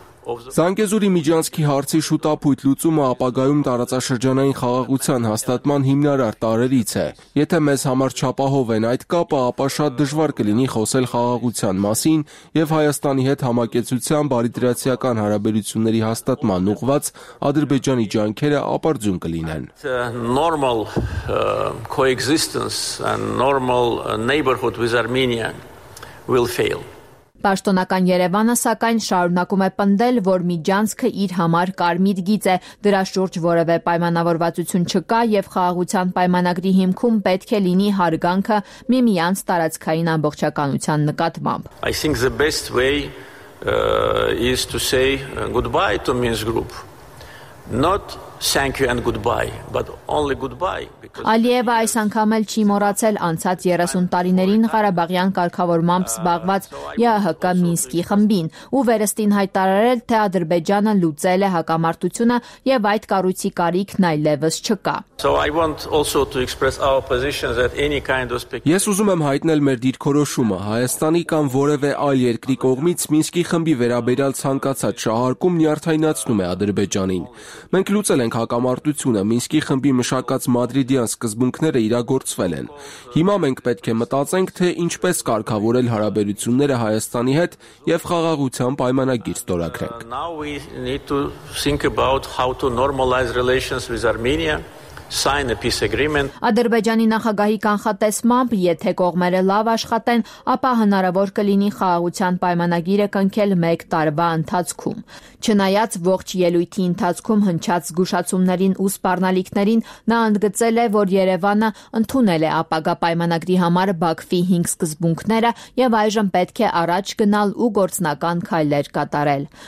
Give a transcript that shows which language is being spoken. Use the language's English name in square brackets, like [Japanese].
[Armenian] Զանգեզուրի միջանցքի հարցի շուտափույթ լուծումը ապագայում տարածաշրջանային խաղաղության հաստատման հիմնարար տարրերից է։ Եթե մեզ համար չապահովեն այդ կապը, ապա շատ դժվար կլինի խոսել խաղաղության մասին եւ Հայաստանի հետ համակեցության բարիդրացիական հարաբերությունների հաստատման ուղված Ադրբեջանի ջանքերը ապարդյուն կլինեն։ [English] Normal coexistence and normal neighborhood with Armenia will fail. Պաշտոնական Երևանը, սակայն, շարունակում է պնդել, որ միջանցքը իր համար կարմիր գիծ է, դրա շուրջ որևէ պայմանավորվածություն չկա եւ խաղաղության պայմանագրի հիմքում պետք է լինի հարգանքը միմյանց տարածքային ամբողջականության նկատմամբ։ I think the best way is to say goodbye to Minsk group, not Thank you and goodbye, but only goodbye. [Armenian] Ալիևը այս անգամ էլ չի մոռացել անցած 30 տարիներին Ղարաբաղյան կարգավորմամբ զբաղված ԵԱՀԿ Մինսկի խմբին ու վերստին հայտարարել, թե Ադրբեջանը լուծել է հակամարտությունը եւ այդ կառույցի կարիքն այլևս չկա։ Ես ուզում եմ հայտնել մեր դիրքորոշումը Հայաստանի կամ որևէ այլ երկրի կողմից Մինսկի խմբի վերաբերյալ ցանկացած շահարկում նյարդայնացնում է Ադրբեջանին։ Մենք լուծել ենք հակամարտությունը, Մինսկի խմբի մշակած Մադրիդ դիանս սկզբունքները իրագործվել են։ Հիմա մենք պետք է մտածենք, թե ինչպես կարգավորել հարաբերությունները Հայաստանի հետ եւ խաղաղության պայմանագիր ստորագրենք։ [English] Now we need to think about how to normalize relations with Armenia. Sign a peace agreement. [Armenian] Ադրբեջանի նախագահի կանխատեսմամբ, եթե կողմերը լավ աշխատեն, ապա հնարավոր կլինի խաղաղության պայմանագիրը կնքել 1 տարվա ընթացքում։ Չնայած ողջ ելույթի ընթացքում հնչած զգուշացումներին ու սպառնալիքներին, նա ընդգծել է, որ Երևանը ընդունել է ապագա պայմանագրի համար Բաքվի 5 սկզբունքները եւ այժմ պետք է առաջ գնալ ու գործնական քայլեր կատարել։